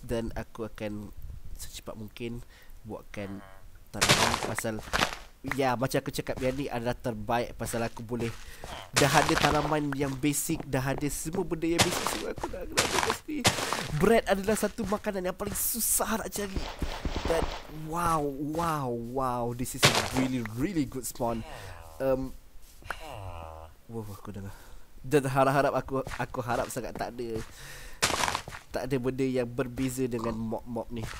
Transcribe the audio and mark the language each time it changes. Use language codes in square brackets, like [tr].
[ms] Dan aku akan secepat mungkin buatkan tanaman pasal, ya, macam aku cakap, yang ni adalah terbaik pasal aku boleh dah ada tanaman yang basic, dah ada semua benda yang basic. Semua aku dah ada pasti. Bread adalah satu makanan yang paling susah nak cari. [en] That, wow, this is a really, really good spawn. [ms] Aku dengar. Dan harap-harap aku harap sangat tak ada benda yang berbeza dengan mop ni.